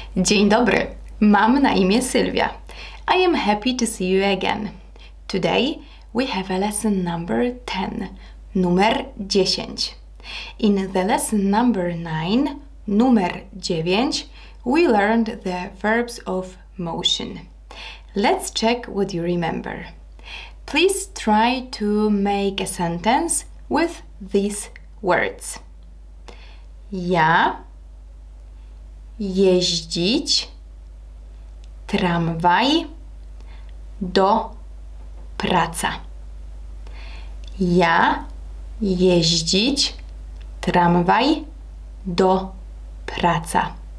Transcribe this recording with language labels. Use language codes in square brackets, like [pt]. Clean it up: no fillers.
[pl] Dzień dobry, mam na imię Sylwia. [en] I am happy to see you again. Today we have a lesson number 10, [pl] numer 10. [en] In the lesson number 9, [pl] numer 9, [en] we learned the verbs of motion. Let's check what you remember. Please try to make a sentence with these words. [pl] Ja jeździć tramwaj do praca. Ja jeździć tramwaj do praca.